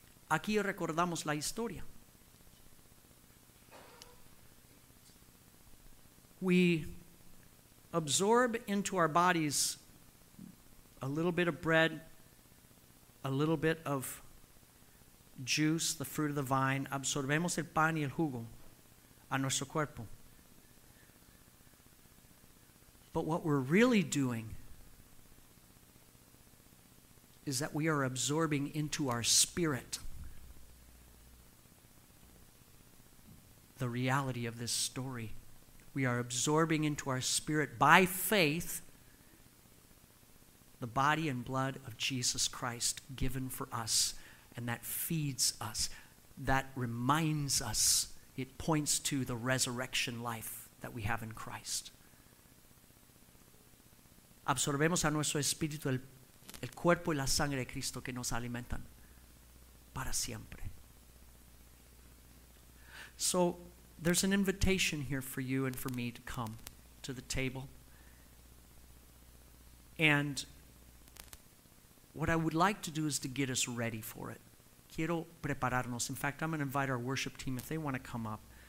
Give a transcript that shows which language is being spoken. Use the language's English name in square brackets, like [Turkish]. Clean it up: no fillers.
[Spanish] Aquí recordamos la historia. [English] We absorb into our bodies a little bit of bread, a little bit of juice, the fruit of the vine. [Spanish] Absorbemos el pan y el jugo a nuestro cuerpo. [English] But what we're really doing is that we are absorbing into our spirit the reality of this story. We are absorbing into our spirit by faith the body and blood of Jesus Christ given for us. And that feeds us, that reminds us, it points to the resurrection life that we have in Christ. [Spanish] Absorbemos a nuestro espíritu el cuerpo y la sangre de Cristo que nos alimentan para siempre. [English] So there's an invitation here for you and for me to come to the table. And what I would like to do is to get us ready for it. [Spanish] Quiero prepararnos. [English] In fact, I'm going to invite our worship team if they want to come up.